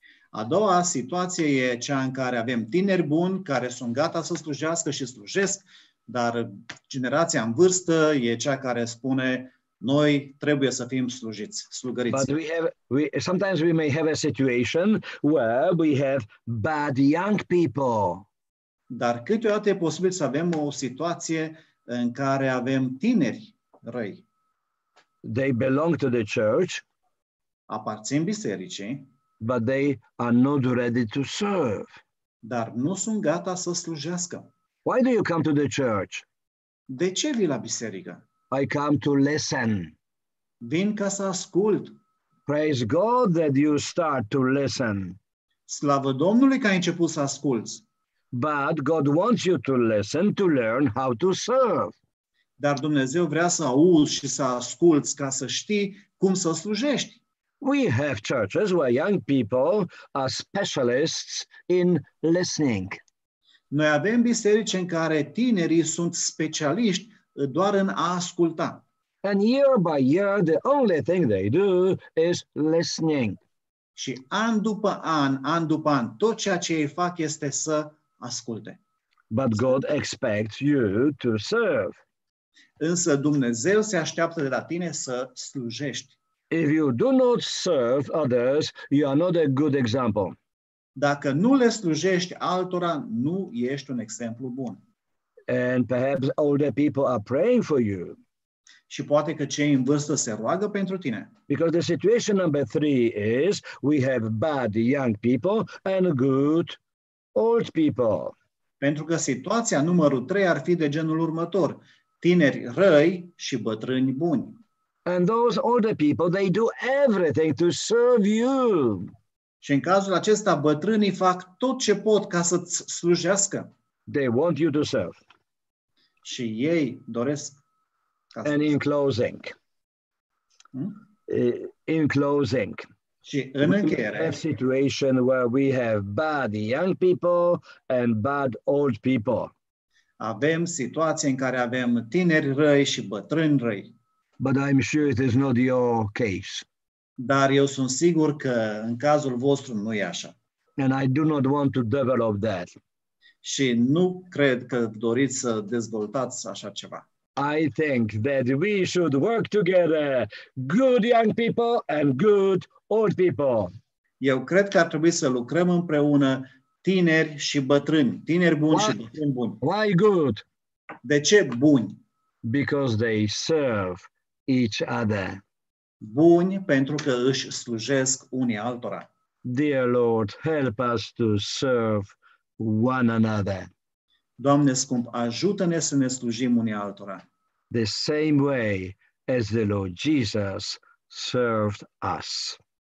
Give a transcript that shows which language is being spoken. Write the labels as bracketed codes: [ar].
[ro] A doua situație e cea în care avem tineri buni care sunt gata să slujească și slujesc, dar generația în vârstă e cea care spune noi trebuie să fim slujiți, slugăriți. [en] But sometimes we may have a situation where we have bad young people. [ro] Dar câteodată e posibil să avem o situație în care avem tineri răi. [en] They belong to the church. [ro] Aparțin bisericii. [en] But they are not ready to serve. [ro] Dar nu sunt gata să slujească. [en] Why do you come to the church? [ro] De ce vii la biserică? [en] I come to listen. [ro] Vin ca să ascult. [en] Praise God that you start to listen. [ro] Slavă Domnului că ai început să asculți. [en] But God wants you to listen to learn how to serve. [ro] Dar Dumnezeu vrea să auzi și să asculți ca să știi cum să slujești. [en] We have churches where young people are specialists in listening. [ro] Noi avem biserici în care tinerii sunt specialiști doar în a asculta. [en] And year by year, the only thing they do is listening. [ro] Și an după an, an după an, tot ceea ce ei fac este să asculte. [en] But God expects you to serve. [ro] Însă Dumnezeu se așteaptă de la tine să slujești. [en] If you do not serve others, you are not a good example. [ro] Dacă nu le slujești altora, nu ești un exemplu bun. [en] And perhaps older people are praying for you. [ro] Și poate că cei în vârstă se roagă pentru tine. [en] Because the situation number three is we have bad young people and good old people. [ro] Pentru că situația numărul trei ar fi de genul următor. Tineri răi și bătrâni buni. [en] And those older people, they do everything to serve you. [ro] Și în cazul acesta, bătrânii fac tot ce pot ca să-ți slujească. [en] They want you to serve. [ro] Și ei doresc. [en] And in closing. In closing. [ro] Și în încheiere. [en] A situation where we have bad young people and bad old people. [ro] Avem situații în care avem tineri răi și bătrâni răi. [en] But I'm sure it is not your case. [ro] Dar eu sunt sigur că în cazul vostru nu e așa. [en] And I do not want to develop that. [ro] Și nu cred că doriți să dezvoltați așa ceva. [en] I think that we should work together, good young people and good old people. [ro] Eu cred că ar trebui să lucrăm împreună tineri și bătrâni, tineri buni și bătrâni buni. [en] Why good? [ro] De ce buni? [en] Because they serve each other. [ro] Buni pentru că își slujesc unii altora. [en] Dear Lord, help us to serve one another. [ro] Doamne scump, ajută-ne să ne slujim unii altora. [en] The same way as the Lord Jesus served us.